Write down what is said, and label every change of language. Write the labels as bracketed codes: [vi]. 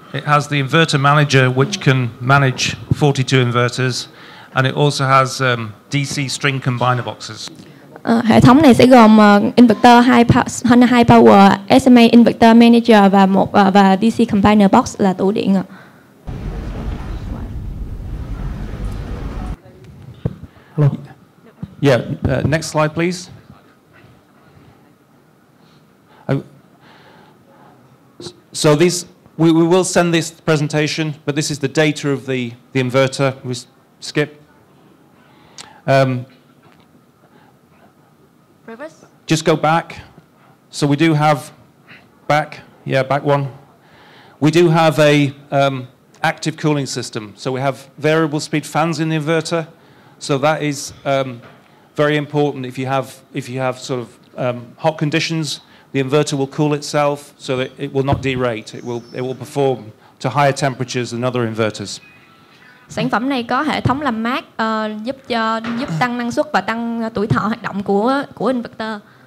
[en] It has the inverter manager, which can manage 42 inverters, and it also has DC string combiner boxes. [vi] Hệ thống này sẽ gồm inverter high power, SMA inverter manager và DC combiner box là tủ điện ạ. [en] Yeah, next slide, please. So this, we will send this presentation, but this is the data of the inverter. We skip. Reverse. Just go back. So we do have back. Yeah, back one. We do have a active cooling system. So we have variable speed fans in the inverter. So that is very important. If you have sort of hot conditions, the inverter will cool itself so that it will not derate. It will perform to higher temperatures than other inverters. [vi] Sản phẩm này có hệ thống làm mát giúp tăng năng suất và tăng tuổi thọ hoạt động của inverter.